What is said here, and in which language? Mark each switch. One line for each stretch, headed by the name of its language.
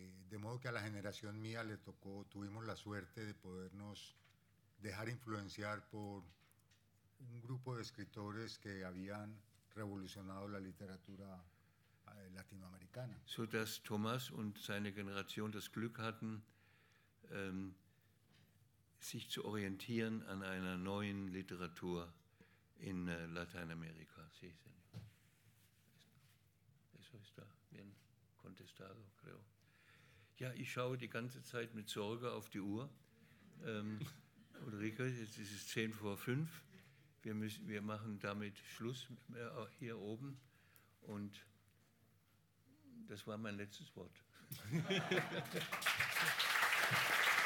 Spanish: De modo que a la generación mía le tocó, tuvimos la suerte de podernos dejar influenciar por un grupo de escritores que habían revolucionado la literatura latinoamericana.
German: So dass Thomas und seine Generation das Glück hatten, sich zu orientieren an einer neuen Literatur in Lateinamerika.
Spanish: Sí, señor. Eso está bien contestado, creo.
German: Ja, ich schaue die ganze Zeit mit Sorge auf die Uhr. Ulrike, jetzt ist es 5:10. Wir machen damit Schluss hier oben. Und das war mein letztes Wort.